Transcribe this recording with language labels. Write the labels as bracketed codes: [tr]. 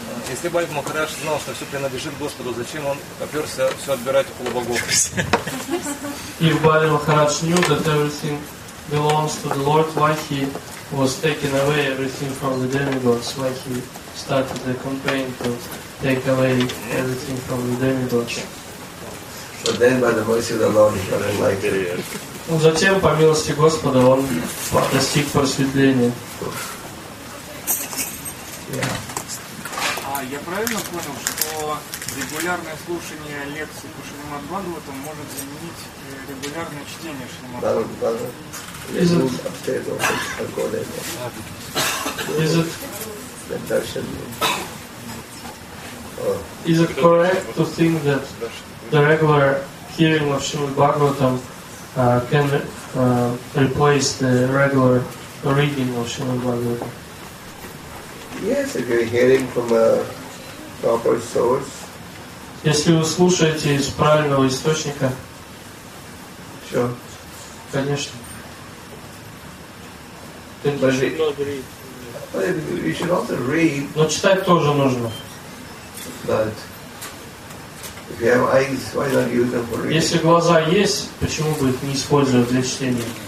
[ru] Если Бальд Махарадж знал, что все принадлежит Господу, зачем он поперся все отбирать у богов? [en] If Бальд Махарадж knew that everything belongs to the Lord, why he was taking away everything from the demigods? Why he started the campaign to take away everything from the demigods? But then, by the mercy of the Lord, he got enlightened. [ru] Ну, затем, по милости Господа, он достиг просветления. [en] Yeah. [ru] Я правильно понял, что регулярное слушание лекций по Шримад Бхагаватам может заменить регулярное чтение Шримад Бхагаватам? [en] Is it correct to think that the regular hearing of Shrimad Bhagavatam can replace the regular reading of Shrimad Bhagavatam? Yeah. yes, if you're hearing from a proper source. [ru] Если вы слушаете из правильного источника. Все. Конечно. [en] You should also read. [ru] Но читать тоже нужно. [en] But if you have eyes, why not use them for reading? [ru] Если глаза есть, почему бы их не использовать для чтения?